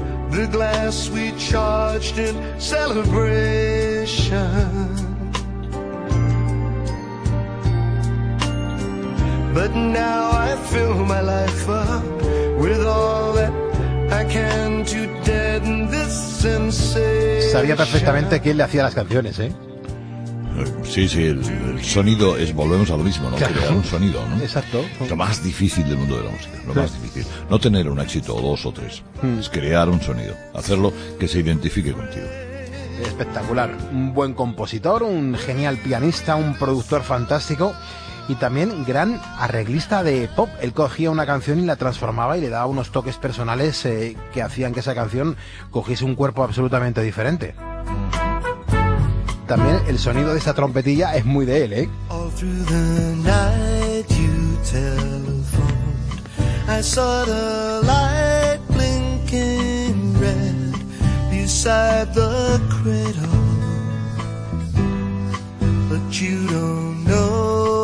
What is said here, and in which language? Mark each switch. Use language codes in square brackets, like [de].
[en] The glass we charged in celebration. But now I fill my life up with all that I can to deaden this sensation. [es] Sabía perfectamente quién le hacía las canciones, ¿eh? Sí, el sonido es, volvemos a lo mismo, ¿no? Claro. Crear un sonido, ¿no? Exacto. Es lo más difícil del mundo de la música, más difícil. No tener un éxito o dos o tres, es crear un sonido, hacerlo que se identifique contigo. Espectacular, un buen compositor, un genial pianista, un productor fantástico. Y también gran arreglista de pop. Él cogía una canción y la transformaba y le daba unos toques personales que hacían que esa canción cogiese un cuerpo absolutamente diferente. También el sonido de esa trompetilla es muy de él, ¿eh? [en] All through the night you telephoned. I saw the light blinking red beside the cradle. But you don't know.